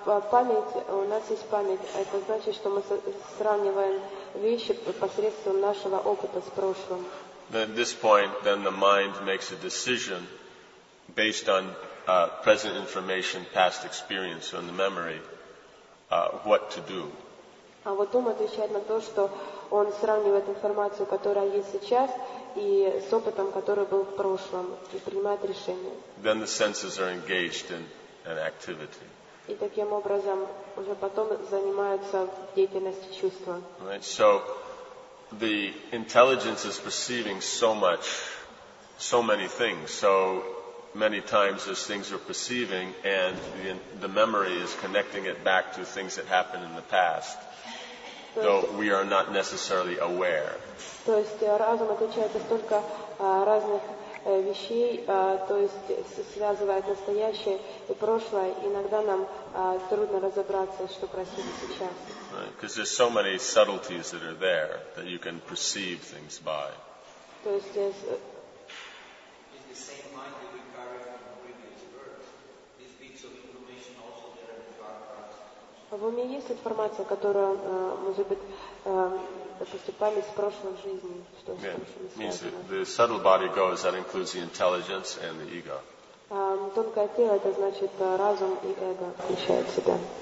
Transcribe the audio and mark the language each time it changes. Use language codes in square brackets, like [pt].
[ru] Память, у нас есть память. Это значит, что мы сравниваем вещи посредством нашего опыта с прошлым. [en] Then at this point, then the mind makes a decision based on present information, past experience, and the memory, what to do. [ru] А вот ум отвечает на то, что он сравнивает информацию, которая есть сейчас, и с опытом, который был в прошлом, и принимает решение. [en] Then the senses are engaged in an activity. [ru] И таким образом уже потом занимаются деятельностью чувства. [en] Right. So the intelligence is perceiving so much, so many things. So many times those things are perceiving, and the memory is connecting it back to things that happened in the past. Though we are not necessarily aware. [ru] То есть разум отвечает за столько разных вещей, то есть связывает настоящее и прошлое. Иногда нам трудно разобраться, что происходит сейчас. [en] Because there's so many subtleties that are there that you can perceive things by. [ru] То есть [en] is the same mind that we carry from previous birth. These bits of information also there in the dark. [ru] В уме есть информация, которая может быть допустим, память с прошлой жизни, что с прошлыми связано. [en] Means the subtle body goes, that includes the intelligence and the ego. [ru] Тонкое тело, это значит разум и эго включает себя.